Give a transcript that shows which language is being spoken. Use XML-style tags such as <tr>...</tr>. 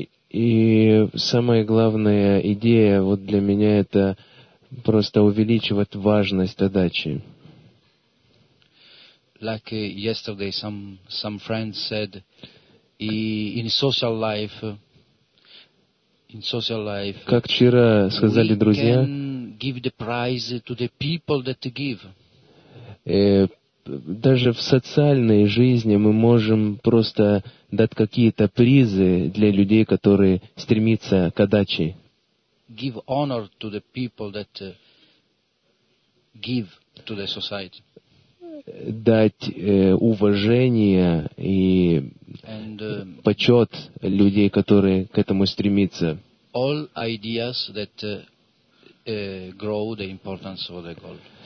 <ru>И самая главная идея вот для меня это просто увеличивать важность отдачи.</ru> <en>Like yesterday, some friends said, in social life,</en> <ru>как вчера сказали друзья,</ru> <en>we can give the prize to the people that give.</en> <ru>Даже в социальной жизни мы можем просто дать какие-то призы для людей, которые стремятся к отдаче.</ru> <en>Give honor to the people that give to the society.</en> <ru>Дать уважение и почет людей, которые к этому стремятся.</ru> <en>All ideas that grow the importance of the goal.</en>